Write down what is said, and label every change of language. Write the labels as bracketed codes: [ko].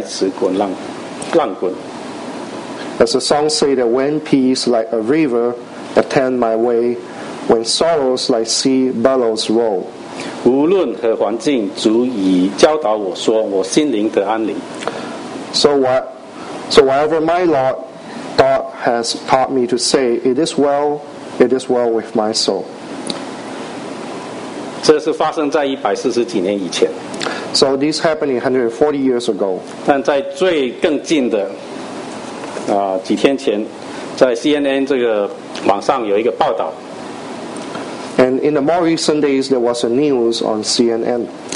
[zh] 他这样就写下来，有时想平安如江河平又稳，有时忧伤来迟滚浪滚。 [en] As the song say that when peace like a river attend my way, when sorrows like sea billows roll. [zh] 无论何环境，足以教导我说，我心灵得安宁。 [en] So whatever my lot. God has taught me to say, it is well with my soul. [zh] 这是发生在140几年以前。 [en] So this happened 140 years ago. [zh] 但在最更近的几天前, 在CNN这个网上有一个报道。 [en] And in the more recent days, there was a news on CNN.